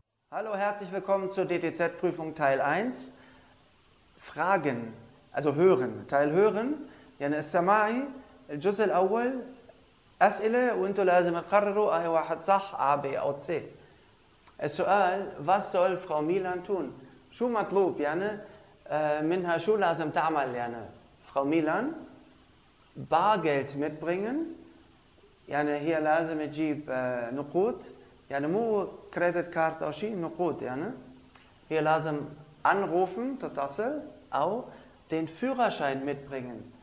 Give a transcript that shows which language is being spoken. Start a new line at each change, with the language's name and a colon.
German: Hallo, herzlich willkommen zur DTZ-Prüfung Teil 1. Fragen, also hören. Teil hören.
Arabic: يعني السماعي الجزء الأول أسئلة وأنتوا لازم تقرروا أي واحد صح A, B أو C.
German: السؤال: Was soll Frau Milan tun?
Arabic: شو مطلوب يعني منها؟ شو لازم تعمل يعني Frau Milan?
German: Bargeld mitbringen.
Arabic: يعني هي لازم تجيب نقود. يعني مو كريدت كارت أو شيء، نقود يعني. هي لازم anrufen, تتصل، أو
German: den Führerschein mitbringen.